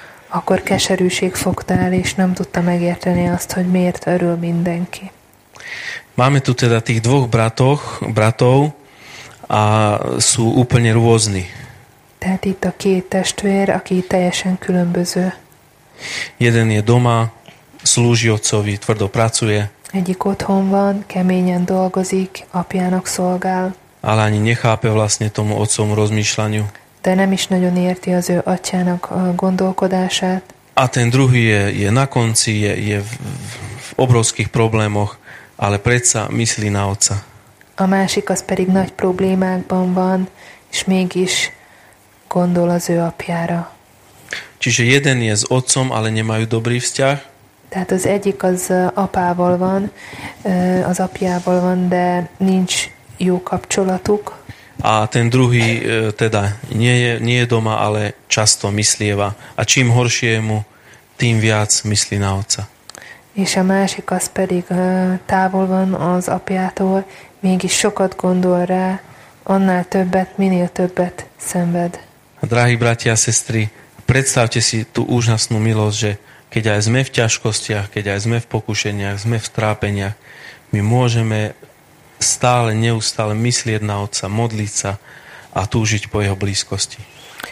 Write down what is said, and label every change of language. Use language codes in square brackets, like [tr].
[hu] Akkor keserűség fogta el, és nem tudta megérteni azt, hogy miért örül mindenki. [sk] Máme tu teda tých dvoch bratov a sú úplne rôzni. [hu] Tehát itt a két testvér, aki teljesen különböző. [sk] Jeden je doma, slúži otcovi, tvrdo pracuje. [hu] Egyik otthon van, keményen dolgozik, apjának szolgál. [sk] Ale ani nechápe vlastne tomu otcom rozmýšľaniu. [hu] De nem is nagyon érti az ő atyának gondolkodását. [sk] A ten druhý je na konci, je v obrovských problémoch, ale predsa myslí na otca. [hu] A másik az pedig nagy problémákban van, és mégis gondol az ő apjára. [sk] Čiže jeden je s otcom, ale nemajú dobrý vzťah. [hu] Tehát az egyik az apával van, az apjával van, de nincs jó kapcsolatuk. [sk] A ten druhý teda nie je doma, ale často myslieva. A čím horšie mu, tým viac myslí na otca. [hu] És a másik az pedig távol van az apjától, mégis sokat gondol rá, annál többet, minél többet szenved. [sk] Drahí bratia a sestry, predstavte si tú úžasnú milosť, že keď aj sme v ťažkostiach, keď aj sme v pokušeniach, sme v trápeniach, my môžeme stále, neustále myslieť na Otca, modliť sa a túžiť po Jeho blízkosti.